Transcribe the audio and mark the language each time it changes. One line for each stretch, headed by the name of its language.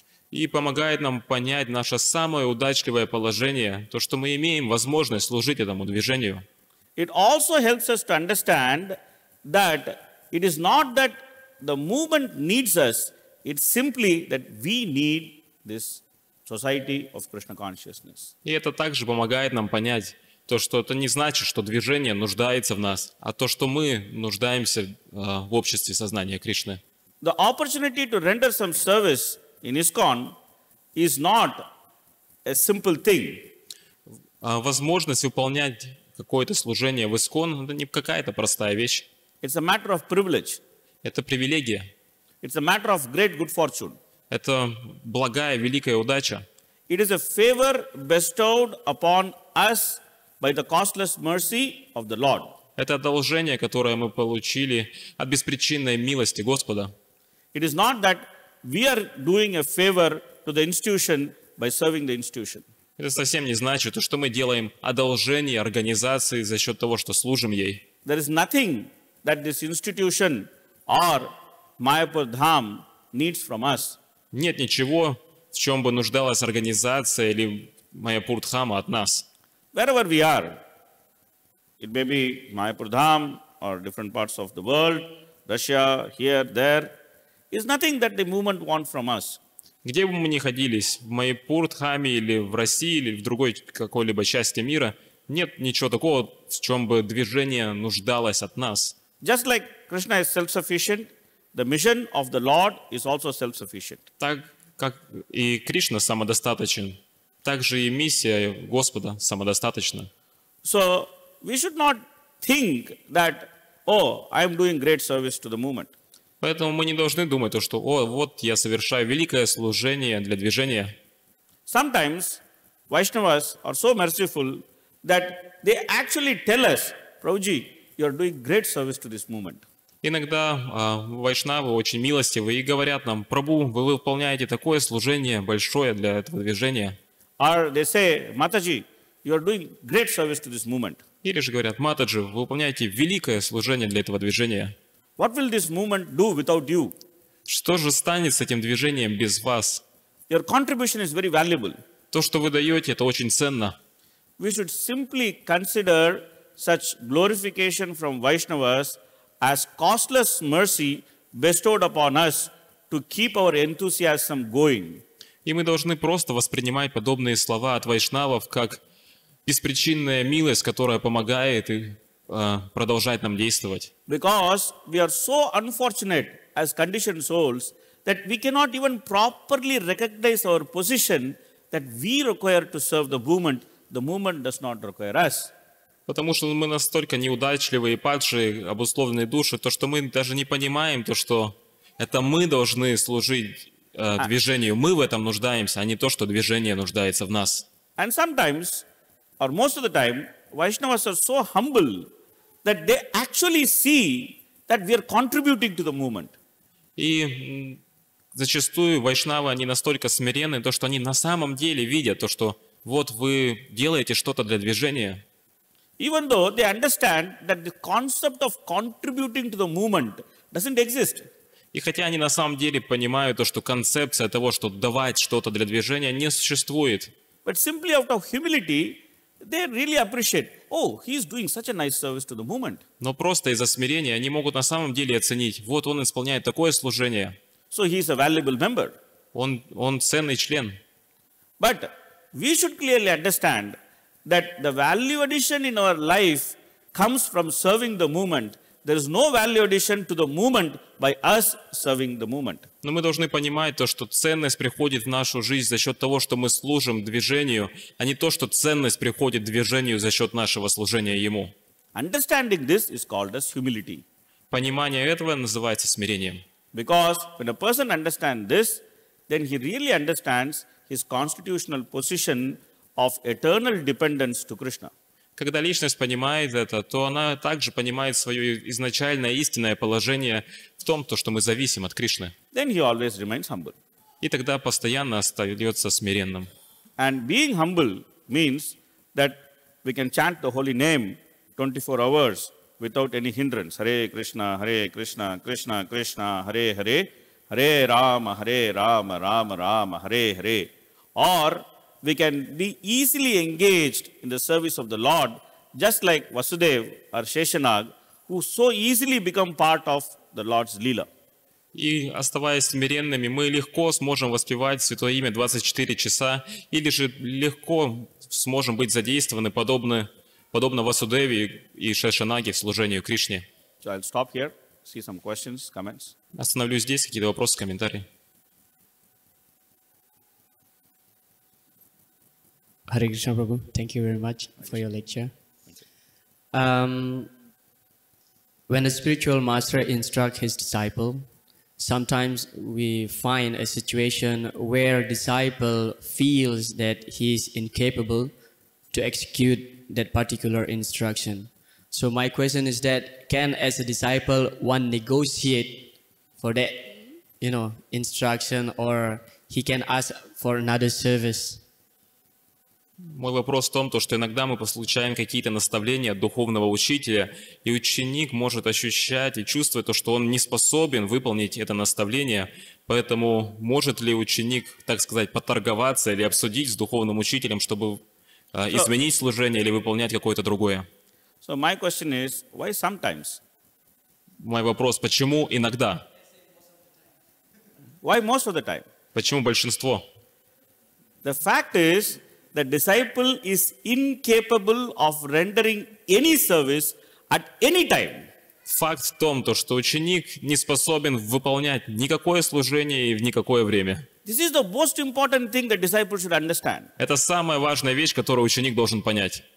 Russian: И помогает нам понять наше самое удачливое положение, то, что мы имеем возможность служить этому движению.
English: It also helps us to understand that it is not that the movement needs us, it's simply that we need this society of Krishna consciousness.
Russian: И это также помогает нам понять, то, что это не значит, что движение нуждается в нас, а то, что мы нуждаемся в обществе сознания Кришны.
English: The opportunity to render some service in ISKCON is not a simple thing.
Russian: Возможность выполнять какое-то служение в ISKCON – это не какая-то простая вещь.
English: It's a matter of privilege.
Russian: Это привилегия.
English: It's a matter of great good fortune.
Russian: Это благая, великая удача.
English: It is a favor bestowed upon us by the causeless mercy of the Lord.
Russian: Это одолжение, которое мы получили от беспричинной милости Господа.
English: It is not that we are doing a favor to the institution by serving the institution.
Russian: Это совсем не значит, что мы делаем одолжение организации за счет того, что служим ей.
English: There is nothing that this institution or Mayapur Dham needs from us.
Russian: Нет ничего, в чем бы нуждалась организация или Mayapur Dham от нас.
English: Wherever we are, it may be Mayapur Dham or different parts of the world, Russia, here, there. Is nothing that the movement wants from us.
Russian: Где бы мы ни ходились, в Майпур Дхаме или в России или в другой какой-либо части мира, нет ничего такого, в чем бы движение нуждалось от нас.
English: Just like Krishna is self-sufficient, the mission of the Lord is also self-sufficient.
Russian: Так как и Кришна самодостаточен, так же и миссия Господа самодостаточна.
English: So we should not think that, oh, I am doing great service to the movement.
Russian: Поэтому мы не должны думать то, что, о, вот я совершаю великое служение для движения.
English: Sometimes Vaishnavas are so merciful that they actually tell us, Prabhuji, you are doing great service to this movement.
Russian: Иногда вайшнавы очень милостивы и говорят нам, Прабху, вы выполняете такое служение большое для этого движения.
English: Or they say, Mataji, you are doing great service to this movement.
Russian: Или же говорят, Матаджи, вы выполняете великое служение для этого движения.
English: What will this movement do without you?
Russian: Что же станет с этим движением без вас?
English: Your contribution is very valuable.
Russian: То, что вы даете, это очень ценно.
English: We should simply consider such glorification from Vaishnavas as costless mercy bestowed upon us to keep our enthusiasm going.
Russian: И мы должны просто воспринимать подобные слова от вайшнавов как беспричинная милость, которая помогает и продолжать нам действовать.
English: Because we are so unfortunate as conditioned souls that we cannot even properly recognize our position that we require to serve the movement does not require us.
Russian: Потому что мы настолько неудачливые и падшие, обусловленные души, то что мы даже не понимаем то, что это мы должны служить движению, мы в этом нуждаемся, а не то, что движение нуждается в нас.
English: And sometimes, or most of the time, Vaishnavas are so humble that they actually see that we are contributing to the movement.
Russian: И зачастую вайшнавы они настолько смиренны, то что они на самом деле видят то, что вот вы делаете что-то для движения.
English: Even though they understand that the concept of contributing to the movement doesn't exist.
Russian: И хотя они на самом деле понимают то, что концепция того, что давать что-то для движения, не существует.
English: But simply out of humility, they really appreciate. Oh, he is doing such a nice service to the movement.
Russian: Но просто из-за смирения они могут на самом деле оценить. Вот он исполняет такое служение.
English: So he is a valuable member.
Russian: Он ценный член.
English: But we should clearly understand that the value addition in our life comes from serving the movement. There is no value addition to the movement by us serving the movement.
Russian: Но мы должны понимать то, что ценность приходит в нашу жизнь за счет того, что мы служим движению, а не то, что ценность приходит движению за счет нашего служения ему.
English: Understanding this is called as humility.
Russian: Понимание этого называется смирением.
English: Because when a person understands this, then he really understands his constitutional position of eternal dependence to Krishna.
Russian: Когда личность понимает это, то она также понимает свое изначальное истинное положение в том, то, что мы зависим от Кришны.
English: Then he always remains humble.
Russian: И тогда постоянно остается смиренным.
English: And being humble means that we can chant the holy name 24 hours without any hindrance.
Sanskrit: Hare Krishna, Hare Krishna, Krishna Krishna, Hare Hare, Hare Rama, Hare Rama, Rama Rama, Hare Hare.
English: Or we can be easily engaged in the service of the Lord, just like Vasudev or Sheshanag, who so easily become part of the Lord's Leela.
Russian: И оставаясь смиренными, мы легко сможем воспевать Святое Имя 24 часа, или же легко сможем быть задействованы подобно Васудеве и Шешанаге в служении Кришне.
English: So I'll stop here, see some questions, comments.
Russian: Остановлюсь здесь, какие-то вопросы, комментарии.
English: Hare Krishna Prabhu, thank you very much for your lecture. When a spiritual master instructs his disciple, sometimes we find a situation where disciple feels that he is incapable to execute that particular instruction. So my question is that, can as a disciple one negotiate for that, you know, instruction, or he can ask for another service?
Russian: Мой вопрос в том, то, что иногда мы получаем какие-то наставления от духовного учителя, и ученик может ощущать и чувствовать то, что он не способен выполнить это наставление, поэтому может ли ученик, так сказать, поторговаться или обсудить с духовным учителем, чтобы изменить служение или выполнять какое-то другое?
English: So my question is, why sometimes?
Russian: Мой вопрос, почему иногда?
English: Why most of the time?
Russian: Почему большинство?
English: The fact is, the disciple is incapable of rendering any service at any time.
Russian: Факт в том, то, что ученик не способен выполнять никакое служение и в никакое время.
English: This is the most important thing that disciple should understand.
Russian: Это самая важная вещь, которую ученик должен понять.